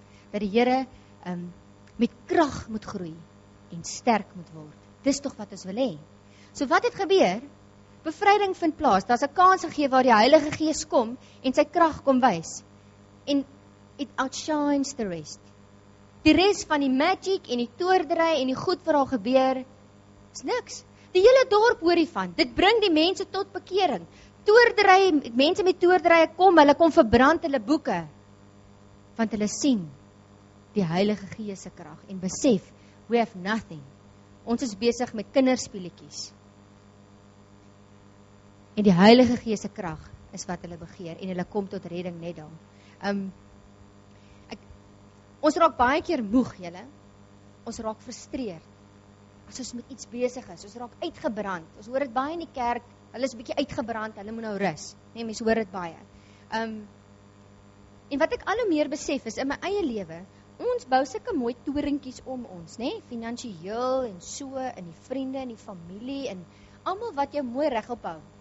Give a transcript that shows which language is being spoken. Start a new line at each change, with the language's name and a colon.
Afrikaans: Dat die Here met krag moet groei en sterk moet word. Dis tog wat ons wil hê. So wat het gebeur? Bevryding vind plaas. Daar's 'n kans gegee waar die Heilige Gees kom en sy krag kom wys. En
English: it outshines the rest.
Afrikaans: Die res van die magic en die toordery en die goed wat daar gebeur is niks. Die hele dorp hoor hiervan. Dit bring die mense tot bekering. Toordery, mense met toordery kom, hulle kom verbrand hulle boeke want hulle sien die Heilige Gees se krag en besef
English: we have nothing.
Afrikaans: Ons is besig met kinderspeletjies. En die Heilige Gees se krag is wat hulle begeer en hulle kom tot redding net daar. Ons raak baie keer moeg, julle. Ons raak frustreerd. As ons met iets besig is, ons raak uitgebrand. Ons hoor dit baie in die kerk. Hulle is 'n bietjie uitgebrand, hulle moet nou rus. Nee, mense hoor dit baie. En wat ek al hoe meer besef is in my eie lewe, ons bou sulke mooi toringetjies om ons, nê, finansiëel en so in die vriende en die familie en almal wat jou mooi reg ophou.